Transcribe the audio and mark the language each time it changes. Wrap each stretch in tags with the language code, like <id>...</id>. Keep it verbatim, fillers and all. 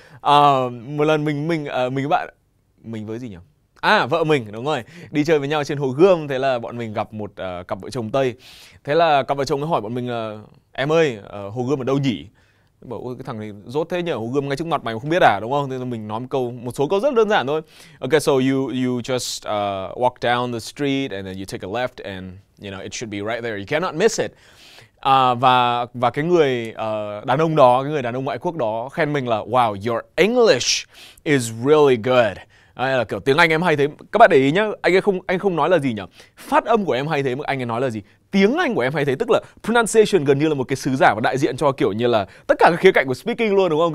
<vi>Uh, một lần mình mình uh, mình với bạn mình với gì nhỉ? À, vợ mình, đúng rồi, đi chơi với nhau trên Hồ Gươm. Thế là bọn mình gặp một uh, cặp vợ chồng Tây. Thế là cặp vợ chồng nó hỏi bọn mình là uh, em ơi, uh, Hồ Gươm ở đâu nhỉ? Bảo ôi cái thằng này rốt thế nhỉ, Hồ Gươm ngay trước mặt mày mà không biết à, đúng không? Thế nên mình nói một câu, một số câu rất đơn giản thôi.</vi> <en>Okay, so you you just uh, walk down the street and then you take a left and you know it should be right there. You cannot miss it.</en> <vi>Uh, và và cái người uh, đàn ông đó, cái người đàn ông ngoại quốc đó khen mình là</vi> <en>wow, your English is really good.</en> <vi>À, là kiểu tiếng Anh em hay thế. Các bạn để ý nhá, anh ấy không anh không nói là gì nhỉ? Phát âm của em hay thế, mà anh ấy nói là gì? Tiếng Anh của em hay thế, tức là pronunciation gần như là một cái sứ giả và đại diện cho kiểu như là tất cả các khía cạnh của speaking luôn, đúng không?</vi>